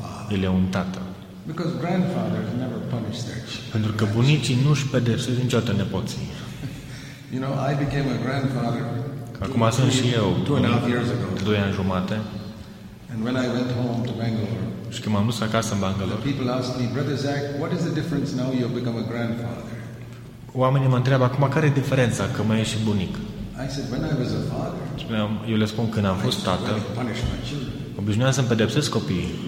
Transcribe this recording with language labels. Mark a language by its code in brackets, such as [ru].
[ro] El e un tată. [en] Because grandfathers never punish their children. [ro] Pentru că bunicii nu își pedepsesc niciodată nepoții. [en] You know, I became a grandfather. [ro] Acum sunt și eu. [en] 2.5 years ago. [ro] 2 ani jumate. [en] And when I went home to Bangalore. [ro] Și când m-am dus acasă în Bangalore. [en] The people asked me, Brother Zach, what is the difference now you've become a grandfather? [ro] Oamenii mă întreabă acum care e diferența că mai ești bunic. [en] I said, when I was a father. [ro] Spuneam, eu le spun când am fost tată. [en] I punish my children. [ro] Obișnuiam să-mi pedepsesc copiii.